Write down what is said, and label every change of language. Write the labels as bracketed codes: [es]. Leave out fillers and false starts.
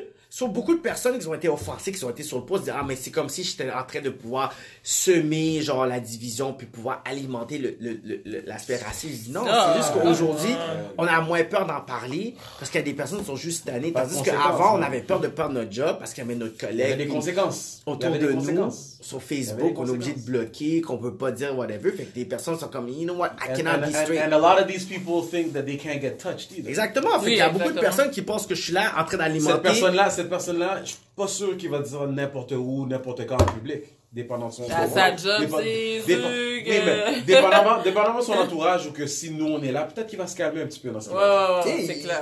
[fr] Sur beaucoup de personnes qui ont été offensées, qui ont été sur le post, disent, ah, mais c'est comme si j'étais en train de pouvoir semer, genre, la division, puis pouvoir alimenter l'aspect raciste. Je dis, non, c'est juste qu'aujourd'hui, on a moins peur d'en parler, parce qu'il y a des personnes qui sont juste tannées, tandis qu'avant, on avait peur de perdre notre job, parce qu'il y avait notre collègue. Il y avait des conséquences. Autour de nous, sur Facebook, on est obligé de bloquer, qu'on peut pas dire whatever. Fait que des personnes sont comme, [en] you know what, I cannot be straight. And a lot of these people think that they can't get touched either. [fr] Exactement. Fait qu'il y a beaucoup de personnes qui pensent que je suis là en train d'alimenter. Cette personne-là, je suis pas sûr qu'il va dire n'importe où, n'importe quand en public, dépendant de son entourage. Dépendamment de son entourage, ou que si nous on est là, peut-être qu'il va se calmer un petit peu dans sa vie. Ouais, c'est clair.